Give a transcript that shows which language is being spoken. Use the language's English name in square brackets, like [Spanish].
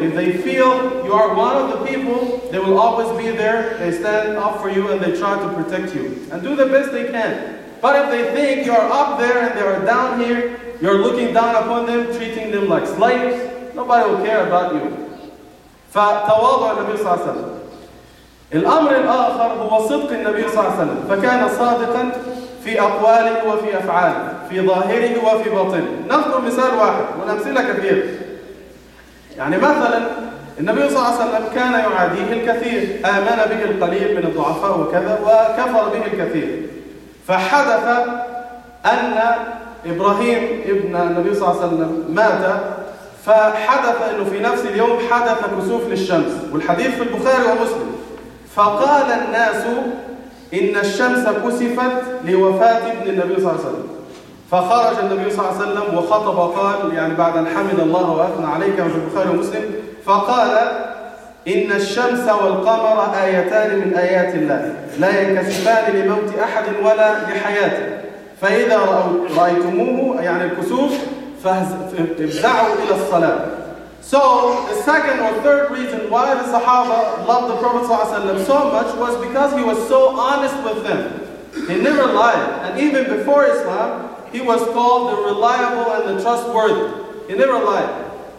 [English] If they feel you are one of the people, they will always be there, they stand up for you and they try to protect you and do the best they can. But if they think you are up there and they are down here, you're looking down upon them, treating them like slaves, nobody will care about you. [Arabic] فتواضع النبي صلى الله عليه وسلم. الأمر الآخر هو صدق النبي صلى الله عليه وسلم. فكان صادقا في أقواله وفي أفعاله في ظاهره وفي باطنه. نذكر مثال واحد ونمثلة كثيرة. يعني مثلا النبي صلى الله عليه وسلم كان يعاديه الكثير, آمن به القليل من الضعفاء وكذا وكفر به الكثير. فحدث أن إبراهيم ابن النبي صلى الله عليه وسلم مات, فحدث أنه في نفس اليوم حدث كسوف للشمس, والحديث في البخاري ومسلم. فقال الناس إن الشمس كسفت لوفاة ابن النبي صلى الله عليه وسلم. فخرج النبي صلى الله عليه وسلم وخطب وقال, يعني بعد أن حمد الله وأثنى عليك, وفي البخاري ومسلم, فقال إن الشمس والقمر آيتان من آيات الله لا ينكسفان لموت أحد ولا لحياته, فإذا رأيتموه, يعني الكسوف, فابتدعوا إلى الصلاة. [English] So the second or third reason why the Sahaba loved the Prophet ﷺ so much was because he was so honest with them. He never lied. And even before Islam, he was called the reliable and the trustworthy. He never lied.